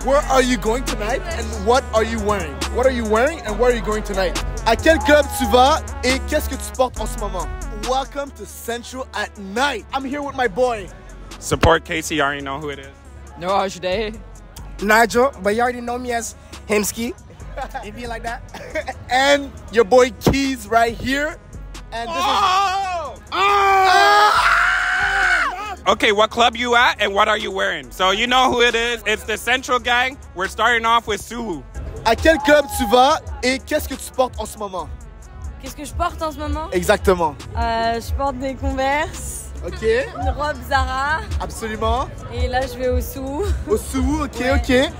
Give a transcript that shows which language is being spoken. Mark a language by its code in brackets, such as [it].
[en] Where are you going tonight and what are you wearing? What are you wearing and where are you going tonight? [fr] À quel club tu vas et qu'est-ce que tu portes en ce moment? [en] Welcome to Central at Night. I'm here with my boy. Support Casey, you already know who it is. No, Ajude. Nigel, but you already know me as Himsky. If you like that. And your boy Keys right here. And this Okay, what club you at and what are you wearing? So you know who it is. It's the Central Gang. We're starting off with Suhu. [fr] À quel club tu vas et qu'est-ce que tu portes en ce moment? Qu'est-ce que je porte en ce moment? Exactement. Je porte des Converse. Ok. Une robe Zara. Absolument. Et là, je vais au Suhu. Au Suhu, ok, ouais. Ok.